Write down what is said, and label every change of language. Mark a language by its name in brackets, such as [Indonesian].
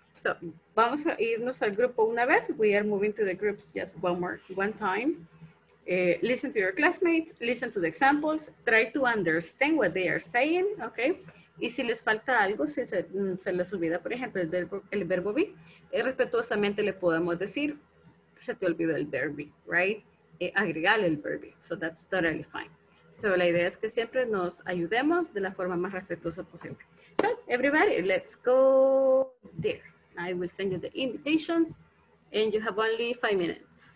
[Spanish] So, vamos a irnos al grupo una vez. [English] We are moving to the groups just one time. Listen to your classmates, listen to the examples, try to understand what they are saying, okay? [Spanish] Y si les falta algo, si se les olvida, por ejemplo, el verbo be, respetuosamente le podemos decir, se te olvidó el verbo be, right? Agregale el verbo be, [English] so that's totally fine. [Spanish] So la idea es que siempre nos ayudemos de la forma más respetuosa posible. [English] So everybody, let's go there. I will send you the invitations and you have only 5 minutes.